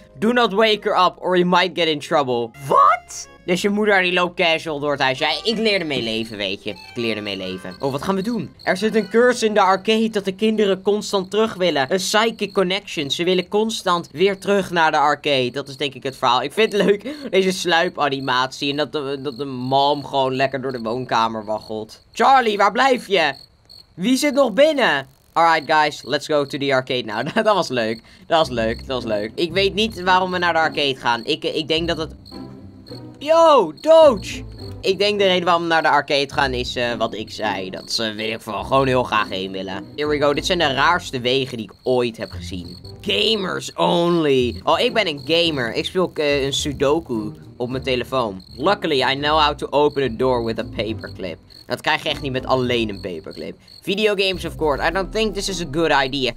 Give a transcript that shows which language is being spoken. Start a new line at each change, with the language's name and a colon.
English: Do not wake her up or you might get in trouble. What?
Dutch: Dus je moeder die loopt casual door het huis. Ja, ik leer ermee leven, weet je. Ik leer ermee leven. Oh, wat gaan we doen? Er zit een curse in de arcade dat de kinderen constant terug willen. Een psychic connection. Ze willen constant weer terug naar de arcade. Dat is denk ik het verhaal. Ik vind het leuk, deze sluipanimatie. En dat de mom gewoon lekker door de woonkamer waggelt. Charlie, waar blijf je? Wie zit nog binnen?
English: Alright guys, let's go to the arcade now.
Dutch: Dat was leuk. Dat was leuk. Dat was leuk. Ik weet niet waarom we naar de arcade gaan. Ik denk dat het... Yo, Doge! Ik denk de reden waarom we naar de arcade gaan is wat ik zei. Dat ze, weet ik veel, gewoon heel graag heen willen.
English: Here we go. Dit zijn de raarste wegen die ik ooit heb gezien. Gamers only.
Dutch: Oh, ik ben een gamer. Ik speel een Sudoku op mijn telefoon.
English: Luckily, I know how to open a door with a paperclip.
Dutch: Dat krijg je echt niet met alleen een paperclip.
English: Videogames, of course. I don't think this is a good idea.